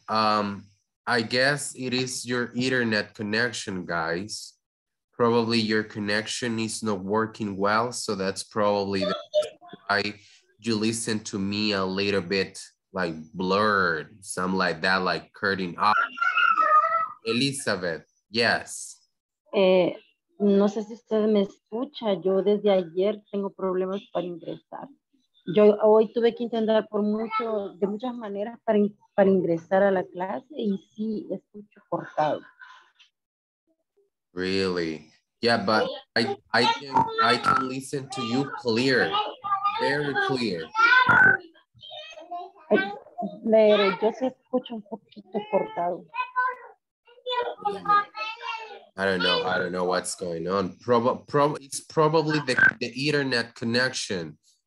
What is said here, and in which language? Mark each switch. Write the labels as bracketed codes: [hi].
[en] I guess it is your internet connection, guys. Probably your connection is not working well, so that's probably why you listen to me a little bit like blurred, something like that, like cutting off. Elizabeth, yes. [es] No sé si usted me escucha, yo desde ayer tengo problemas para ingresar. Yo hoy tuve que intentar por mucho, de muchas maneras para ingresar a la clase y sí, escucho cortado. [en] Really? Yeah, but I can listen to you clear, very clear. [es] Pero yo sí escucho un poquito cortado. [en] I don't know what's going on. It's probably the internet connection.